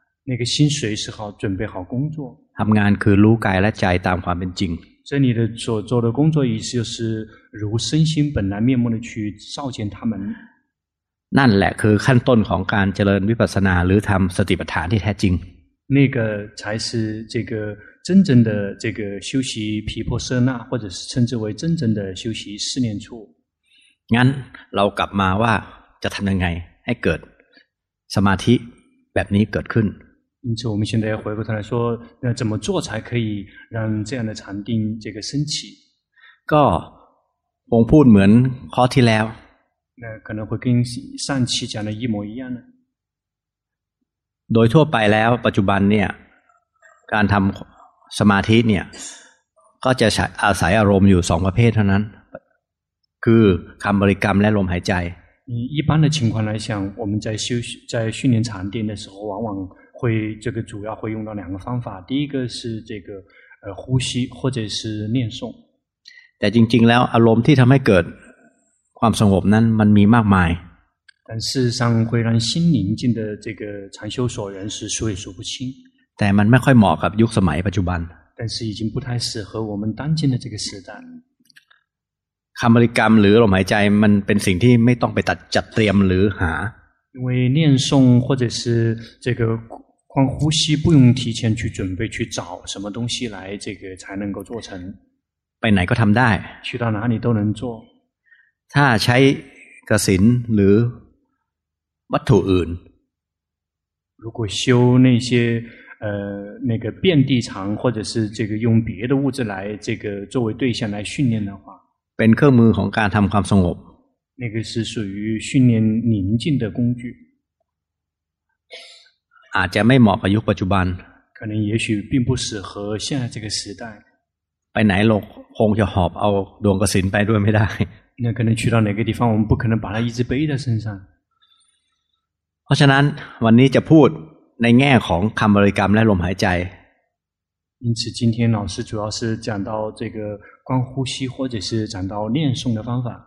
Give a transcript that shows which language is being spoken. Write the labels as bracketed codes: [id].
[zh] 那个心随时好准备好工作 [th] ทำงานคือรู้กายและใจตามความเป็นจริง [zh] 这里的所做的工作意思就是如身心本来面目的去照见他们 [th] นั่นแหละคือขั้นต้นของการเจริญวิปัสสนาหรือทำสติปัฏฐานที่แท้จริง [zh] 那个才是这个真正的这个修习毗婆舍那或者是称之为真正的修习四念处 [th] งั้นเรากลับมาว่าจะทำยังไงให้เกิดสมาธิแบบนี้เกิดขึ้น [zh] 因此我们现在回过头来说那怎么做才可以让这样的禅定这个升起 [th] ก็ผมพูดเหมือนข้อที่แล้ว [zh] 那可能会跟上期讲的一模一样呢 [th] โดยทั่วไปแล้วปัจจุบันเนี่ยการทำสมาธิเนี่ยก็จะอาศัยอารมณ์อยู่สองประเภทเท่านั้นคือคำบริกรรมและลมหายใจ [zh] 以一般的情况来讲我们在训练禅定的时候往往会这个主要会用到两个方法第一个是这个呼吸或者是念诵 [th] แต่จริงๆแล้วอารมณ์ที่ทำให้เกิดความสงบนั้นมันมีมากมาย [zh] 但事实上会让心宁静的这个禅修所缘是数也数不清 [th] แต่มันไม่ค่อยเหมาะกับยุคสมัยปัจจุบัน [zh] 但是已经不太适合我们当今的这个时代 [th] คำบริกรรมหรือลมหายใจมันเป็นสิ่งที่ไม่ต้องไปตัดจัดเตรียมหรือหา [zh] 因为念诵或者是这个光呼吸不用提前去准备去找什么东西来这个才能够做成 [th] ไปไหนก็ทำได้ [zh] 去到哪里都能做 [th] ถ้าใช้กสิณหรือวัตถุอื่น [zh] 如果修那些那个遍地长或者是这个用别的物质来这个作为对象来训练的话 [th] เป็นเครื่องมือของการทำความสงบ [zh] 那个是属于训练宁静的工具 [th] อาจจะไม่เหมาะกับยุคปัจจุบัน [zh] 可能也许并不适合现在这个时代 [th] ไปไหนหรอกคงจะหอบเอาดวงกสิณไปด้วยไม่ได้ [zh] 那可能去到哪个地方我们不可能把它一直背在身上 [th] เพราะฉะนั้นวันนี้จะพูดในแง่ของคำบริกรรมและลมหายใจ [zh] 因此今天老师主要是讲到这个观呼吸或者是讲到念诵的方法